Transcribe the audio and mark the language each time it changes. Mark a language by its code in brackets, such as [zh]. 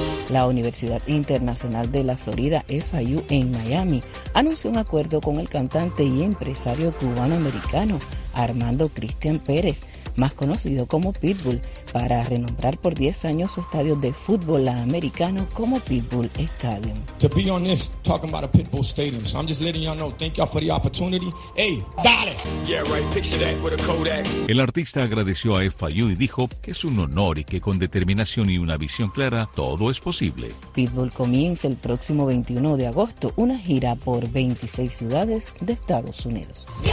[es] La Universidad Internacional de la Florida, FIU, en Miami, anunció un acuerdo con el cantante y empresario cubano-americano Armando Cristian Pérez, más conocido como Pitbull, para renombrar por 10 años su estadio de fútbol americano como Pitbull Stadium. [en] To be on this, talking about a Pitbull Stadium, so I'm just letting y'all know, thank y'all for the opportunity. Hey, got it! Yeah, right, picture that with a Kodak. [es] El artista agradeció a FIU y dijo que es un honor y que con determinación y una visión clara, todo es posible. Pitbull comienza el próximo 21 de agosto, una gira por 26 ciudades de Estados Unidos.